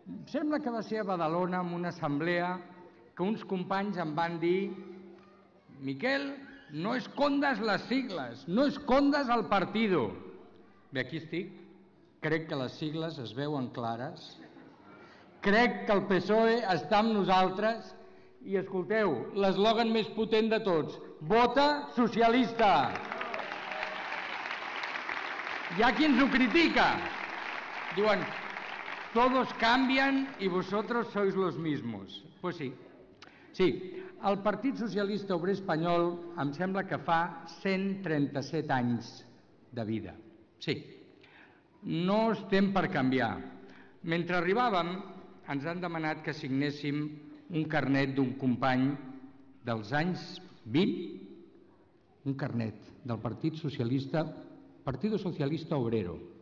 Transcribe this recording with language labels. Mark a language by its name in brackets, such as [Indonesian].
[Catalan] Sembla que va ser a Badalona, en una assemblea, que uns companys em van dir: Miquel, no escondes les sigles, [Spanish] no escondes el partido. [Catalan] Bé, aquí estic, crec que les sigles es veuen clares, crec que el PSOE està amb nosaltres, i escolteu, l'eslògan més potent de tots: vota socialista. Hi ha qui ens ho critica. [Spanish] Diuen: todos cambian y vosotros sois los mismos. Pues sí. [Catalan] Sí, el Partit Socialista Obrer Espanyol em sembla que fa 137 anys de vida. Sí, no estem per canviar. Mentre arribàvem, ens han demanat que signéssim un carnet d'un company dels anys 20, un carnet del Partit Socialista, Partido Socialista Obrero.